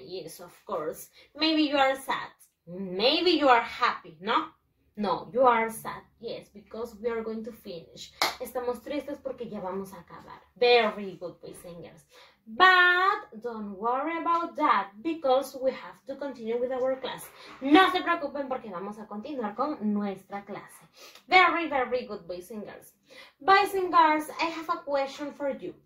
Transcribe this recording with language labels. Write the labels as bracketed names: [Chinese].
[English] Yes, of course. Maybe you are sad. Maybe you are happy, ¿no? No, you are sad, yes, because we are going to finish. [Spanish] Estamos tristes porque ya vamos a acabar. [English] Very good, boys and girls. But don't worry about that, because we have to continue with our class. [Spanish] No se preocupen porque vamos a continuar con nuestra clase. [English] Very, very good, boys and girls. Boys and girls, I have a question for you.